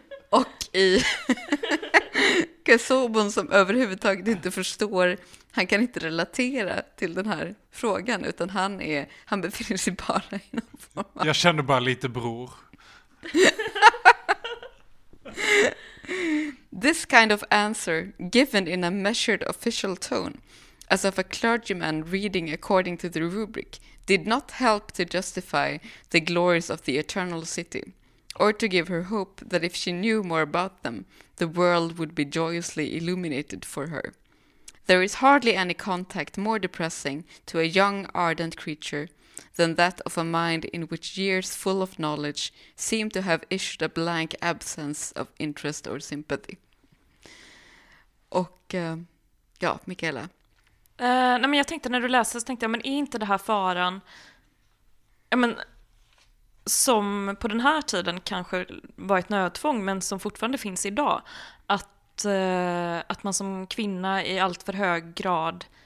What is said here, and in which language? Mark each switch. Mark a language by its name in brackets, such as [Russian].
[Swedish] och i Kesobon som överhuvudtaget inte förstår. Han kan inte relatera till den här frågan, utan han befinner sig bara i någon form. Jag känner bara lite bror. [English] "This kind of answer, given in a measured official tone, as of a clergyman reading according to the rubric, did not help to justify the glories of the eternal city, or to give her hope that if she knew more about them, the world would be joyously illuminated for her. There is hardly any contact more depressing to a young, ardent creature than that of a mind in which years full of knowledge seem to have issued a blank absence of interest or sympathy." [Swedish] Och ja, Michaela. Nej, men jag tänkte när du läste så tänkte jag, men är inte det här faran, ja, men som på den här tiden kanske var ett nödtvång, men som fortfarande finns idag, att man som kvinna i allt för hög grad